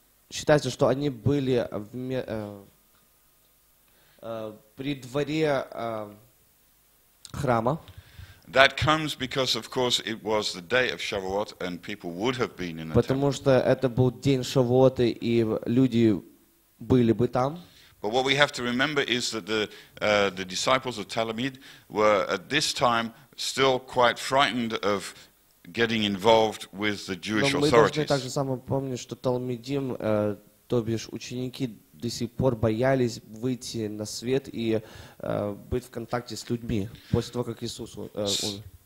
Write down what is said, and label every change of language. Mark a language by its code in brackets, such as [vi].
[ru] Считается, что они были в при дворе храма. [en] That comes because, of course, it was the day of Shavuot, and people would have been in the temple. [ru] Потому что это был день Шавуота, и люди были бы там. [en] But what we have to remember is that the disciples of Talmid were at this time still quite frightened of getting involved with the Jewish authorities. [ru] Но мы должны также самое помнить, что Талмидим, то бишь ученики, до сих пор боялись выйти на свет и быть в контакте с людьми после того, как Иисус умер.